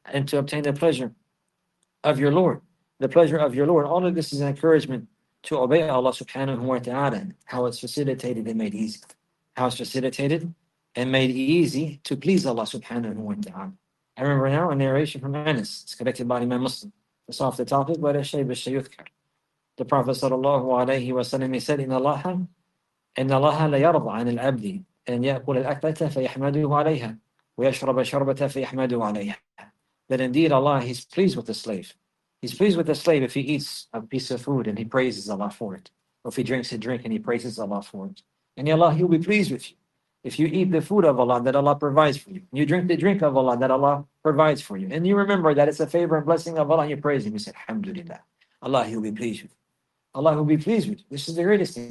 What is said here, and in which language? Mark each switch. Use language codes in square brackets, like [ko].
[en] And to obtain the pleasure of your Lord. The pleasure of your Lord. All of this is an encouragement to obey Allah subhanahu wa ta'ala. How it's facilitated and made easy. How it's facilitated and made easy to please Allah subhanahu wa ta'ala. I remember now a narration from Anas. It's collected by Imam Muslim. It's off the topic, but the Prophet sallallahu alayhi wa sallam, he said, [ar] إِنَّ اللَّهَ لَيَرْضَ عَنِ الْعَبْدِ أَنْ يَأْكُلَ الْأَكْلَةَ فَيَحْمَدُهُ عَلَيْهَا وَيَشْرَبَ شَرْبَةَ فَيَحْمَدُهُ عَلَيْهَا. [en] That indeed Allah, He's pleased with the slave. He's pleased with the slave if he eats a piece of food and he praises Allah for it. Or if he drinks a drink and he praises Allah for it. And Allah, He'll be pleased with you. If you eat the food of Allah that Allah provides for you, you drink the drink of Allah that Allah provides for you, and you remember that it's a favor and blessing of Allah, and you praise Him, you say, Alhamdulillah. Allah, He'll be pleased with you. Allah will be pleased with you. This is the greatest thing.